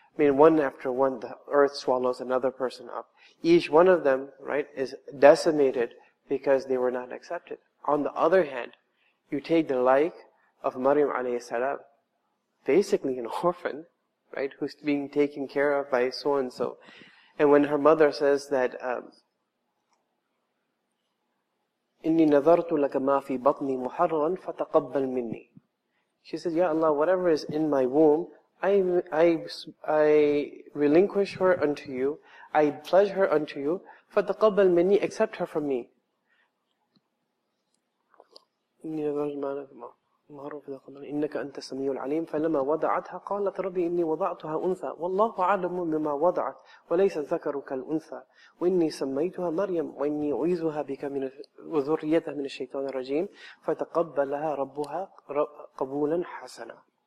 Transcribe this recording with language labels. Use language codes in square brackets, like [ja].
[en] I mean, one after one, the earth swallows another person up. Each one of them, right, is decimated because they were not accepted. On the other hand, you take the like of Maryam alayhi salam, basically an orphan, right? Who's being taken care of by so-and-so. And when her mother says that, [ar] إِنِّي نَظَرْتُ لَكَ مَا فِي بَطْنِي مُحَرَّرًا فَتَقَبَّلْ مِنِّي. [en] She says, Ya Allah, whatever is in my womb, I relinquish her unto you, I pledge her unto you, [ar] فَتَقَبَّلْ مِنِّي, [en] accept her from me. [ar] إِنَّكَ أَنْتَ سَمِيعُ الْعَلِيمُ فَلَمَّا وَضَعَتْهَا قَالَتْ رَبِّ إِنِّي وَضَعْتُهَا أُنْثَى وَاللَّهُ أَعْلَمُ بِمَا وَضَعَتْ وَلَيْسَ الذَّكَرُ كَالْأُنْثَى وَإِنِّي سَمَّيْتُهَا مَرْيَمَ وَإِنِّي أُعِيذُهَا بِكَ مِنْ وَذُرِّيَّتَهَا مِنَ الشَّيْطَانِ الرَّجِيمِ فَتَقَبَّلَهَا رَبُّهَا قَبُولًا حَسَنًا.